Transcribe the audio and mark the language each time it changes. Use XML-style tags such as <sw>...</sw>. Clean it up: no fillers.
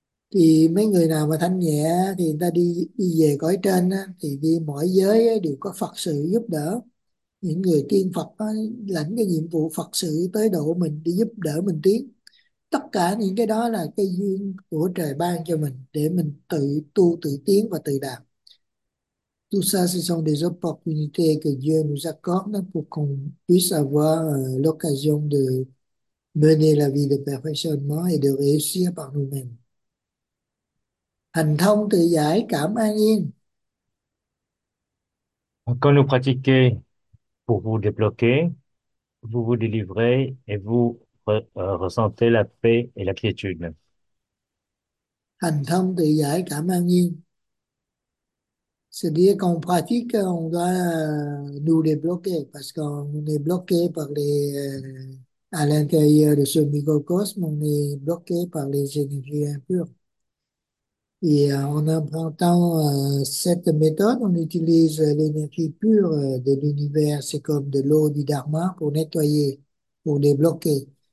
<vi>Thì mấy người nào mà thanh nhẹ thì người ta đi đi về cõi trên thì đi mỗi giới đều có Phật sự giúp đỡ. Những người tiên Phật đó, lãnh cái nhiệm vụ Phật sự tới độ mình, đi giúp đỡ mình tiến. Tất cả những cái đó là cái duyên của trời ban cho mình để mình tự tu, tự tiến và tự đạt.</vi> <fr>Tout ça, ce sont des opportunités que Dieu nous accorde pour qu'on puisse avoir l'occasion de mener la vie de perfectionnement et de réussir par nous-mêmes.</fr> <vi>Hành thông tự giải cảm an yên.</vi> <fr>Quand vous pratiquez pour vous débloquer, vous vous délivrez et vous ressentez la paix et la quiétude.</fr> <vi>Hành thông tự giải cảm an nhiên.</vi> <fr>C'est-à-dire qu'on pratique, on doit nous débloquer parce qu'on est bloqué par à l'intérieur de ce microcosme, on est bloqué par les énergies impures. Et en empruntant cette méthode, on utilise l'énergie pure de l'univers, c'est comme de l'eau du Dharma pour nettoyer, pour débloquer.</fr>